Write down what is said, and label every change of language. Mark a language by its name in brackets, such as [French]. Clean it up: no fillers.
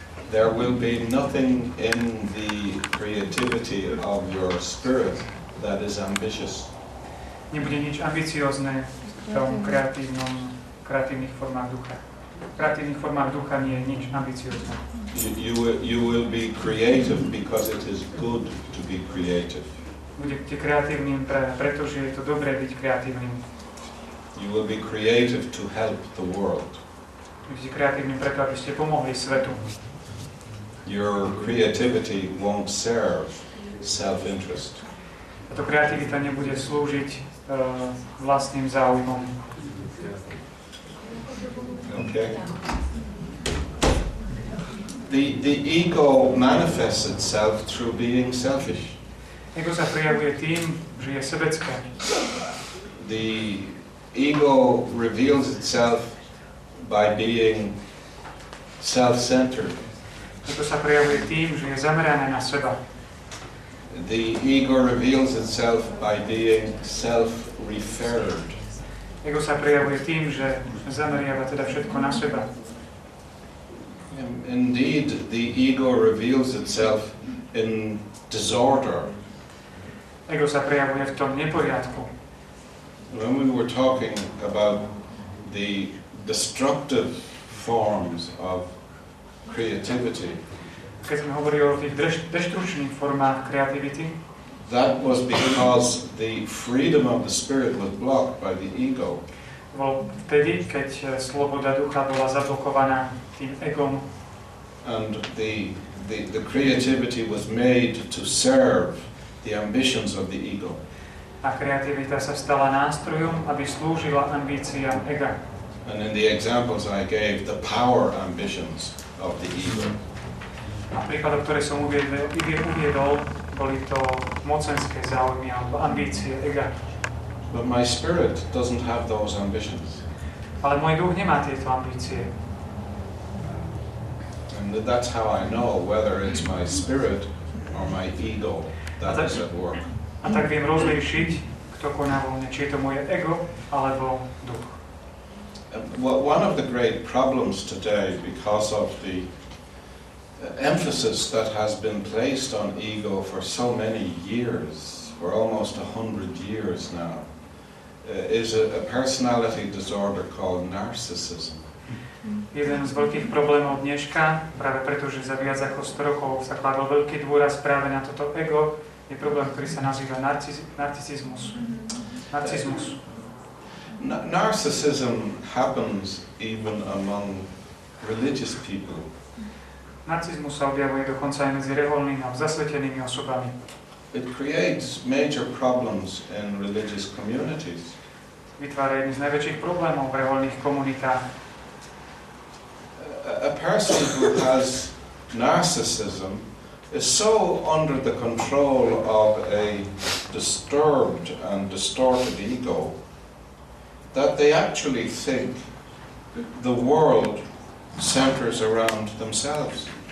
[English] There will be nothing in the creativity of your spirit that is ambitious. [Slovak] Nebude nič ambiciózne v tom kreatívnom, kreatívnych formách ducha. V kreatívnych formách ducha nie je nič ambiciózne. [English] You will be creative because it is good to be creative. [Slovak] Budete kreatívnym, pretože je to dobré byť kreatívnym. [English] You will be creative to help the world. [Slovak] Budete kreatívnym, pretože ste pomohli svetu. [English] Your creativity won't serve self-interest. [Slovak] Táto kreativita nebude slúžiť vlastným záujmom. [English] Okay. The ego manifests itself through being selfish. [Slovak] Ego sa prejavuje tým, že je sebecké. [English] The ego reveals itself by being self-centered. [Slovak] Ego sa prejavuje tým, že je zamerané na seba. [English] The ego reveals itself by being self-referred. [Slovak] Ego sa prejavuje tým, že zameriava teda všetko na seba. [English] Indeed, the ego reveals itself in disorder. [Slovak] Ego sa prejavuje v tom neporiadku. [English] When we were talking about the destructive forms of creativity. [Slovak] Keď sme hovorili o tých deštručných formách kreativity. [English] That was because the freedom of the spirit was blocked by the ego. [Slovak] Bol vtedy, keď sloboda ducha bola zablokovaná tým egom. [English] And the creativity was made to serve the ambitions of the ego. [Slovak] A kreativita sa stala nástrojom, aby slúžila ambíciám ega. [English] And in the examples I gave, the power ambitions of the ego. [Slovak] A príklady, ktoré som uviedol, boli to mocenské záujmy alebo ambície ega. [English] But my spirit doesn't have those ambitions. [Slovak] Ale môj duch nemá tieto ambície. [English] And that's how I know whether it's my spirit or my ego that is at work. [Slovak] A tak viem rozlíšiť, kto koná vo mne, či je to moje ego alebo duch. [English] Well, one of the great problems today because of the emphasis that has been placed on ego for so many years, for almost 100 years now, is a personality disorder called narcissism. [Slovak] Jeden z veľkých problémov dneška, práve preto, že za viac ako 100 rokov sa kladol veľký dôraz práve na toto ego, je problém, ktorý sa nazýva narcizmus. Narcizmus. [English] Narcissism happens even among religious people. [Slovak] Narcizmus sa objavuje dokonca aj medzi reholnými a zasvetenými osobami. [English] It creates major problems in religious communities. [Slovak] Vytvára jedný z najväčších problémov v reholných komunitách. [English] A person who has narcissism is so under the control of a disturbed and distorted ego that they actually think the world centers around themselves.